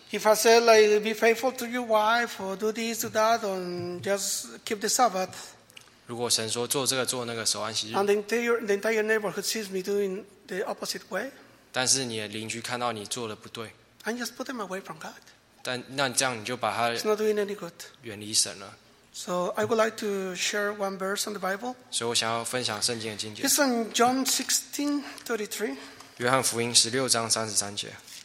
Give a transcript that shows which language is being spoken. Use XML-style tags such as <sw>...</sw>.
<en>If I say like be faithful to your wife or do this or that or just keep the Sabbath，</en> <zh>如果神说做这个做那个守安息日</zh> <en>，and the entire neighborhood sees me doing the opposite way，</en> <zh>但是你的邻居看到你做的不对</zh> <en>，and just put them away from God，</en> <zh>但那这样你就把他</zh> <en>，it's not doing any good，</en> <zh>远离神了。</zh> <en>So I would like to share one verse on the Bible，</en> <zh>所以我想要分享圣经的经节。</zh> <en>It's in John 16:33。</en> <zh>约翰福音十六章三十三节。</zh>